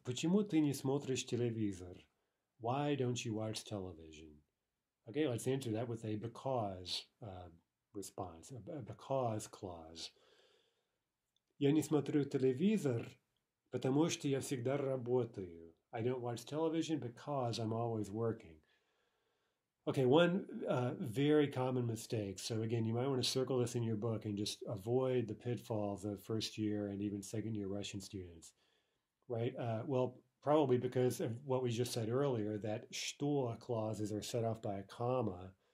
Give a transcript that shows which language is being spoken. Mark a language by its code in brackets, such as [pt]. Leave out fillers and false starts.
[ru] Почему ты не смотришь телевизор? [en] Why don't you watch television? Okay, let's answer that with a because response, a because clause. [ru] Я не смотрю телевизор, потому что я всегда работаю. [en] I don't watch television because I'm always working. Okay, one very common mistake. So again, you might want to circle this in your book and just avoid the pitfalls of first year and even second year Russian students, right? Well, probably because of what we just said earlier, that что clauses are set off by a comma.